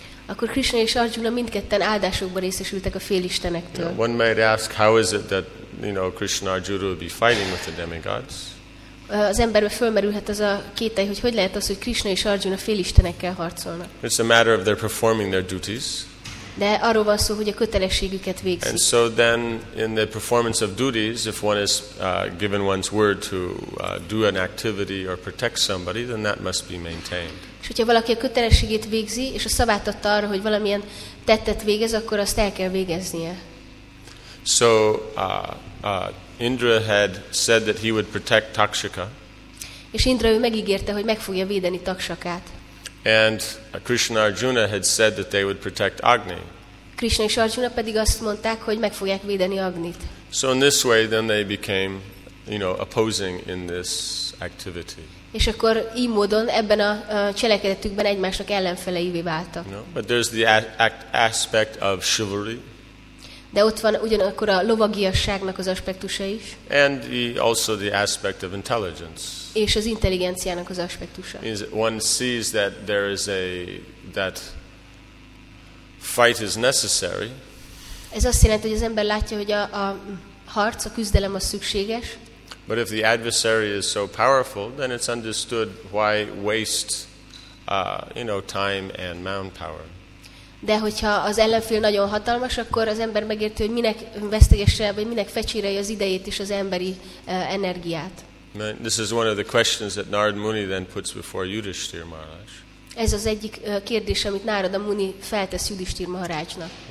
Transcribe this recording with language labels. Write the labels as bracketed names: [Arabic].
[Hungarian] Akkor Krishna és Arjuna mindketten áldásokba részesültek a félistenektől. [English] Yeah, one might ask, how is it that Krishna and Arjuna will be fighting with the demigods? [Hungarian] Az emberbe fölmerülhet az a kétely, hogy lehet az, hogy Krishna és Arjuna félistenekkel harcolnak. [English] It's a matter of their performing their duties. [Hungarian] De arról van szó, hogy a kötelességüket végzik. [English] And so then, in the performance of duties, if one is given one's word to do an activity or protect somebody, then that must be maintained. [Hungarian] És hogyha valaki a kötelességét végzi, és a szavát adta arra, hogy valamilyen tettet végez, akkor azt el kell végeznie. [English] So Indra had said that he would protect Takshaka. [Hungarian] És Indra ő megígérte, hogy meg fogja védeni Takshakát. [English] And Krishna Arjuna had said that they would protect Agni. [Hungarian] Krishna és Arjuna pedig azt mondták, hogy meg fogják védeni Agnit. [English] So in this way then they became, opposing in this activity. [Hungarian] És akkor így módon ebben a cselekedetükben egymásnak ellenfeleivé váltak. [English] No, but there's the aspect of chivalry. [Hungarian] De ott van ugyanakkor a lovagiasságnak az aspektusa is. [English] And also the aspect of intelligence. [Hungarian] És az intelligenciának az aspektusa. [English] One sees that there is that fight is necessary. [Hungarian] Ez azt jelenti, hogy az ember látja, hogy a harc, a küzdelem az szükséges. [English] But if the adversary is so powerful, then it's understood why waste time and manpower. [Hungarian] De hogyha az ellenfél nagyon hatalmas, akkor az ember megérti, hogy minek vesztegesse, vagy minek fecsére az idejét és az emberi energiát. [English] This is one of the questions that Narad Muni then puts before Yudhishthira Maharaj. [Hungarian] Ez az egyik kérdés, amit Narada Muni feltesz Yudhishthir Maharajnak.